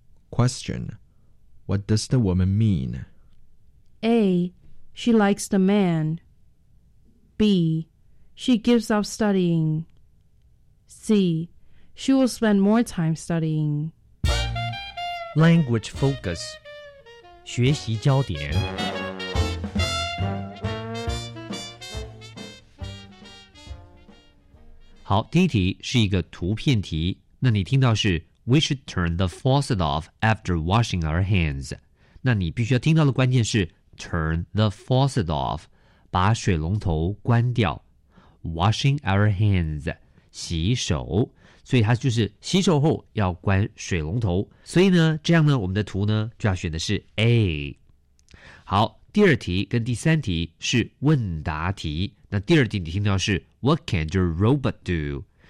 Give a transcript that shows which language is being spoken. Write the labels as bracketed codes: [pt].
[en] Question. What does the woman mean? A. She likes the man. B. She gives up studying. C. She will spend more time studying. Language focus. [zh] 学习焦点 好，第一题是一个图片题。那你听到是 [en] We should turn the faucet off after washing our hands. [zh] 那你必须要听到的关键是 [en] Turn the faucet off. [zh] 把水龙头关掉 [en] Washing our hands [zh] 洗手所以它就是洗手后要关水龙头所以呢这样呢我们的图呢就要选的是 A 好第二题跟第三题是问答题那第二题你听到是 [en] What can your robot do?